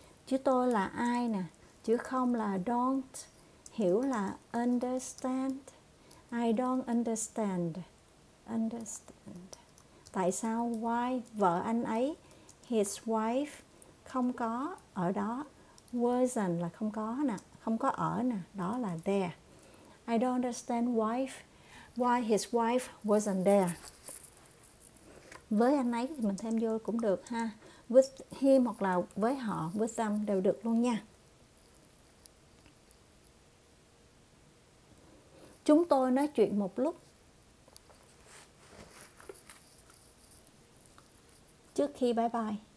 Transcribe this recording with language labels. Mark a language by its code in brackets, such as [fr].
[vi] Chữ tôi là ai nè, chữ không là don't, hiểu là understand, I don't understand, understand. Tại sao why vợ anh ấy, his wife, không có ở đó, wasn't là không có nè, không có ở nè, đó là there. [en] I don't understand wife, why his wife wasn't there. [vi] Với anh ấy thì mình thêm vô cũng được ha. With him hoặc là với họ, with them đều được luôn nha. Chúng tôi nói chuyện một lúc trước khi bye bye.